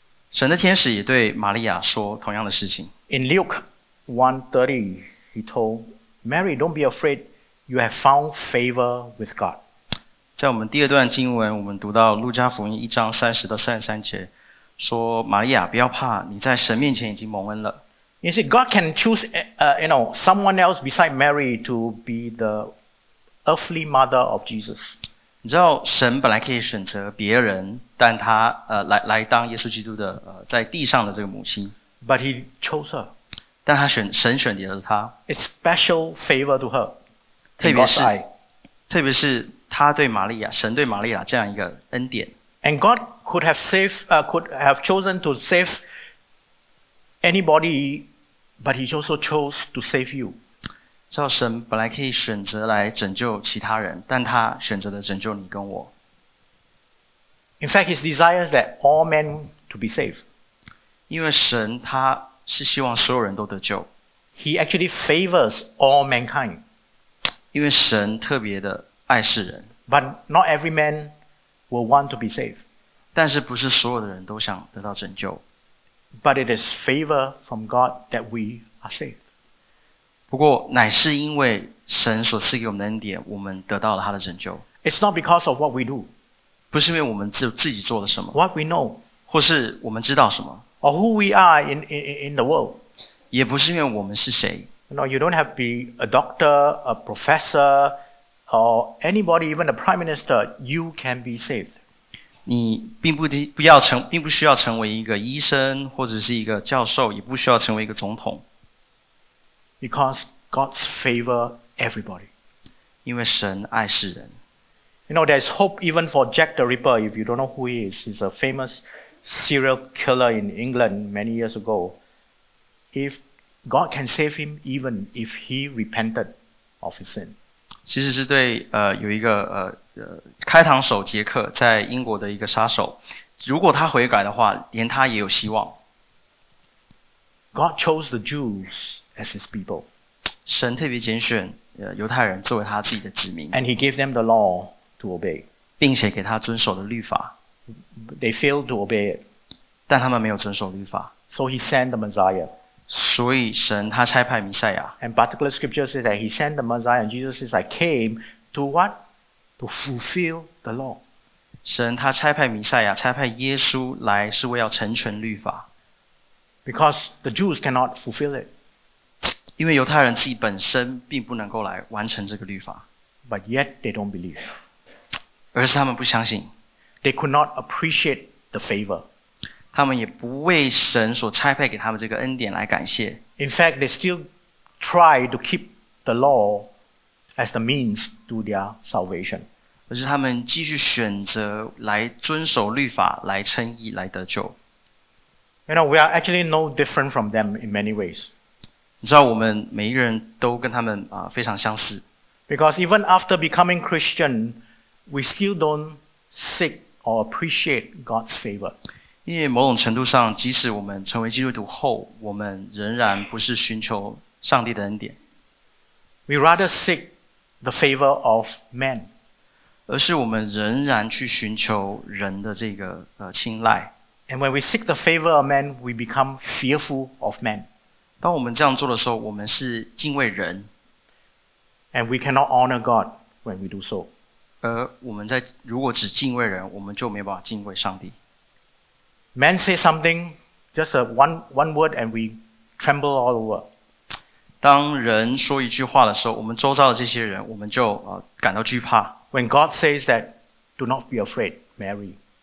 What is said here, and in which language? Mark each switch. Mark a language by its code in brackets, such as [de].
[zh] 神的天使也对玛利亚说同样的事情。 [en] In Luke 1:30, he told Mary, "Don't be afraid. You have found favor with God." [zh] 在我们第二段经文，我们读到路加福音1:30-33，说玛利亚不要怕，你在神面前已经蒙恩了。 [en] You see, God can choose, you know, someone else beside Mary to be the Earthly mother of Jesus. [zh] 你知道神本来可以选择别人，但他来当耶稣基督的在地上的这个母亲。 [en] But he chose her. [zh] 但神选择了她。 [en] It's special favor to her. [zh] 特别是他对玛利亚，神对玛利亚这样一个恩典。 [en] And God could have chosen to save anybody, but he also chose to save you. [zh] 知道神本来可以选择来拯救其他人，但他选择了拯救你跟我。 [en] In fact, his desire is that all men to be saved. [zh] 因为神他是希望所有人都得救。 [en] He actually favors all mankind. [zh] 因为神特别的爱世人。 [en] But not every man will want to be saved. [zh] 但是不是所有的人都想得到拯救。 [en] But it is favor from God that we are saved. [zh] 不过乃是因为神所赐给我们的恩典，我们得到了他的拯救。 [en] It's not because of what we do. [zh] 不是因为我们自己做了什么。 [en] What we know. [zh] 或是我们知道什么。 [en] Or who we are in the world. [zh] 也不是因为我们是谁。 [en] No, you don't have to be a doctor, a professor, or anybody, even a prime minister, you can be saved. [zh] 你并不需要成为一个医生或者是一个教授，也不需要成为一个总统。 [en] Because God's favor everybody. [zh] 因为神爱世人。 [en] You know, there's hope even for Jack the Ripper, if you don't know who he is. He's a famous serial killer in England many years ago. If God can save him, even if he repented of his sin. [zh] 其实是对有一个开膛手杰克在英国的一个杀手，如果他悔改的话，连他也有希望。 [en] God chose the Jews as his people. [zh] 神特别拣选犹太人作为他自己的子民。 [en] And he gave them the law to obey. [zh] 并且给他遵守的律法。 [en] They failed to obey it. [zh] 但他们没有遵守律法。 [en] So he sent the Messiah. [zh] 所以神他差派弥赛亚。 [en] And particular scripture says that he sent the Messiah, and Jesus says, I came to what? To fulfill the law. [zh] 神他差派弥赛亚，差派耶稣来是为要成全律法。 [en] Because the Jews cannot fulfill it. [zh] 因为犹太人自己本身并不能够来完成这个律法。 [en] But yet they don't believe. [zh] 而是他们不相信。 [en] They could not appreciate the favor. [zh] 他们也不为神所差派给他们这个恩典来感谢。 [en] In fact, they still try to keep the law as the means to their salvation. [zh] 而是他们继续选择来遵守律法，来称义，来得救。 [en] You know, we are actually no different from them in many ways. [zh] 你知道我们每一个人都跟他们非常相似。 [en] Because even after becoming Christian, we still don't seek or appreciate God's favor. [zh] 因为某种程度上，即使我们成为基督徒后，我们仍然不是寻求上帝的恩典。 [en] We rather seek the favor of man. [zh] 而是我们仍然去寻求人的这个青睐。 [en] And when we seek the favor of man, we become fearful of man. [zh] 当我们这样做的时候，我们是敬畏人。 [en] And we cannot honor God when we do so. [zh] 而我们在如果只敬畏人，我们就没办法敬畏上帝。 [en] Man say something, just one word, and we tremble all over. [zh] 当人说一句话的时候，我们周遭的这些人，我们就感到惧怕。 [en] When God says that, do not be afraid, Mary.